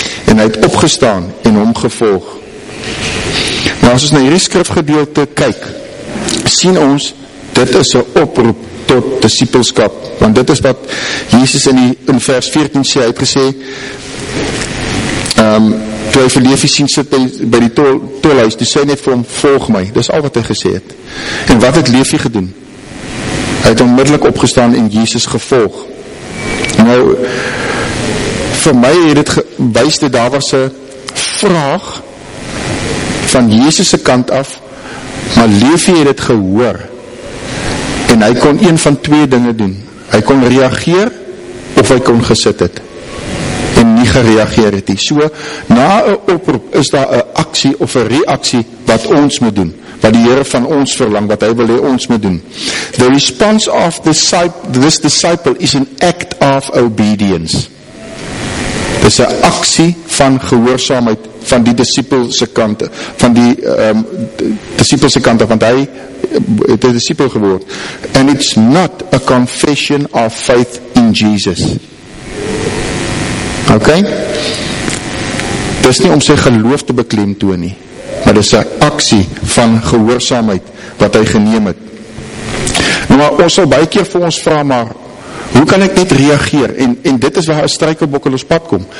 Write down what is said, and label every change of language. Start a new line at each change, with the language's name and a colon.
Afrikaans: En hy het opgestaan en hom gevolg. Maar as ons na hierdie skrifgedeelte kyk, sien ons, dit is 'n oproep tot disippelskap. Want dit is wat Jesus in vers 14 sê, hy het gesê, toe hy vir Levi sien sit by die tolhuis, toe sê hy net vir hom, volg my. Dit is al wat hy gesê het. En wat het Levi gedoen? Hy het onmiddellik opgestaan en Jesus gevolg. Nou, vir my het dit gewys dat daar was 'n vraag van Jesus se kant af, maar Levi het dit gehoor en hy kon een van twee dinge doen. Hy kon reageer of hy kon gesit het en nie gereageer het nie. So, na 'n oproep is daar 'n aksie of 'n reaksie wat ons moet doen, wat die Here van ons verlang, wat hy wil hê ons moet doen.
English: The response of this disciple is an act of obedience.
Afrikaans: Dis 'n aksie van gehoorsaamheid van die disipel se kant, van die disipel se kant, want hy het 'n disipel geword.
English: And it's not a confession of faith in Jesus. Okay?
Afrikaans: Dis nie om sy geloof te beklemtoon nie, maar dis 'n aksie van gehoorsaamheid wat hy geneem het. Nou, maar ons sal baie keer vir ons vra, maar hoe kan ek net reageer? En dit is waar 'n struikelblok in ons pad kom.